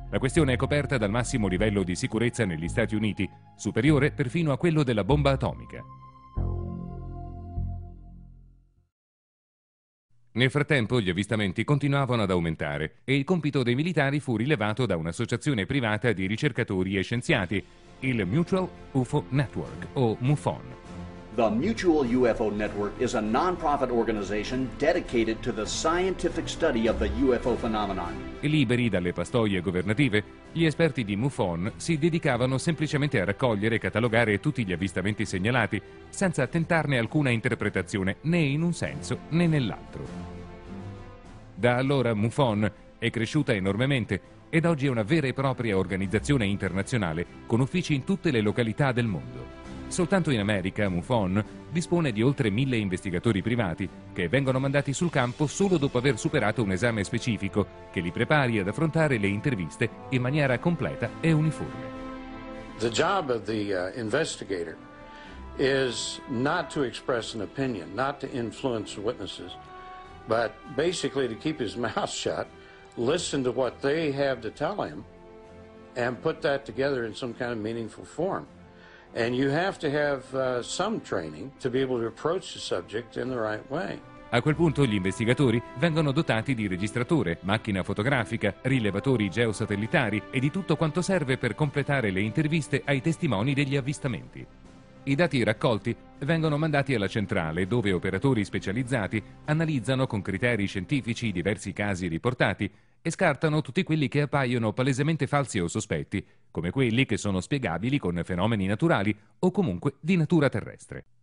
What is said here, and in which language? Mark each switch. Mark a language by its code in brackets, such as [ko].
[it] La questione è coperta dal massimo livello di sicurezza negli Stati Uniti, superiore perfino a quello della bomba atomica. Nel frattempo gli avvistamenti continuavano ad aumentare e il compito dei militari fu rilevato da un'associazione privata di ricercatori e scienziati, il Mutual UFO Network, o MUFON. [en] The Mutual UFO Network is a non-profit organization dedicated to the scientific study of the UFO phenomenon. [it] Liberi dalle pastoie governative, gli esperti di MUFON si dedicavano semplicemente a raccogliere e catalogare tutti gli avvistamenti segnalati, senza tentarne alcuna interpretazione, né in un senso né nell'altro. Da allora MUFON è cresciuta enormemente ed oggi è una vera e propria organizzazione internazionale con uffici in tutte le località del mondo. Soltanto in America MUFON dispone di oltre 1.000 investigatori privati che vengono mandati sul campo solo dopo aver superato un esame specifico che li prepari ad affrontare le interviste in maniera completa e uniforme. [en] The job of the investigator is not to express an opinion, not to influence witnesses, but basically to keep his mouth shut, listen to what they have to tell him and put that together in some kind of meaningful form. And you have to have some training to be able to approach the subject in the right way. [it] A quel punto gli investigatori vengono dotati di registratore, macchina fotografica, rilevatori geosatellitari e di tutto quanto serve per completare le interviste ai testimoni degli avvistamenti. I dati raccolti vengono mandati alla centrale, dove operatori specializzati analizzano con criteri scientifici i diversi casi riportati e scartano tutti quelli che appaiono palesemente falsi o sospetti, come quelli che sono spiegabili con fenomeni naturali o comunque di natura terrestre.